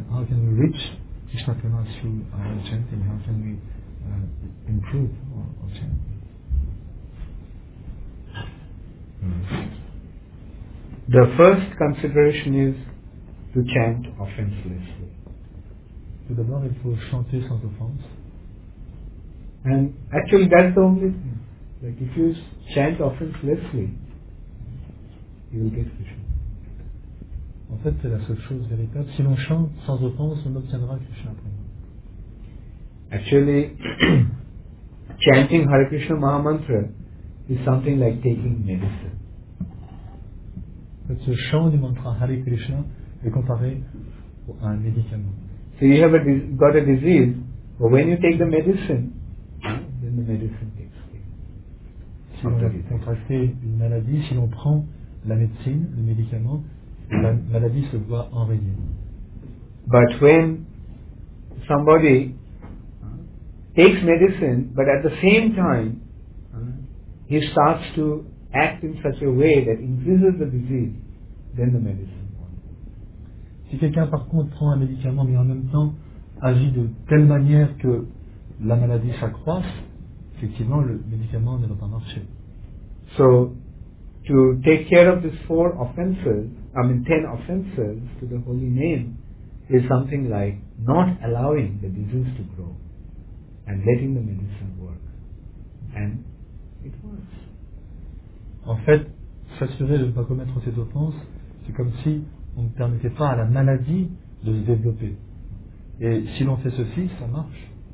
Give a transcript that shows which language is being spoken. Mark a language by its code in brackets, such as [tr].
[en] How can we reach Krishna Prema through our chanting? How can we improve our chanting? The first consideration is to chant offenselessly. [fr] Tout d'abord, il faut chanter sans offense. [en] And actually, that's the only thing. Like, if you chant offenselessly, you will get Krishna. [fr] En fait, c'est la seule chose véritable. Si l'on chante sans offense, on obtiendra Krishna Prema. [en] Actually, chanting Hare Krishna Maha Mantra is something like taking medicine. [fr] Donc, ce chant du mantra Hare Krishna est comparé à un médicament. [en] So you have got a disease, but when you take the medicine, then the medicine takes care. [fr] Si l'on a contracté une maladie, si l'on prend la médecine, le médicament, la maladie se voit enrayée. [en] But when somebody takes medicine, but at the same time, he starts to act in such a way that increases the disease, then the medicine. [fr] Si quelqu'un par contre prend un médicament mais en même temps agit de telle manière que la maladie s'accroisse, effectivement le médicament ne va pas marcher. [en] So to take care of these four offenses, I mean 10 offenses to the holy name, is something like not allowing the disease to grow and letting the medicine work. And it works. [fr] En fait, s'assurer de ne pas commettre ces offenses, c'est comme si on ne permettait pas à la maladie de se développer. Et si l'on fait ceci, ça marche.